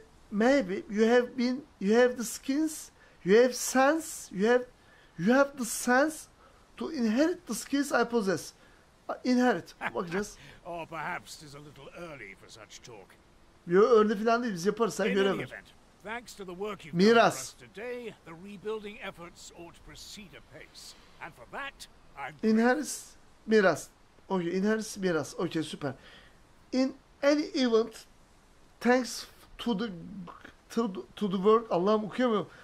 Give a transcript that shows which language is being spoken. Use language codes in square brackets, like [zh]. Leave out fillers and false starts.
[en] Maybe you have the sense to inherit the skills I possess. [tr] Inherit. Bakacağız. [en] Or perhaps it is a little early for such talk. [tr] Yo, early falan değil, biz yaparız, sen görev ver. [en] Thanks to the work you've done for us today, the rebuilding efforts ought to proceed apace. And for that, [tr] Inherit miras. Okay, süper. [en] In any event, thanks to the work, [tr] Allah'ım okuyamıyorum.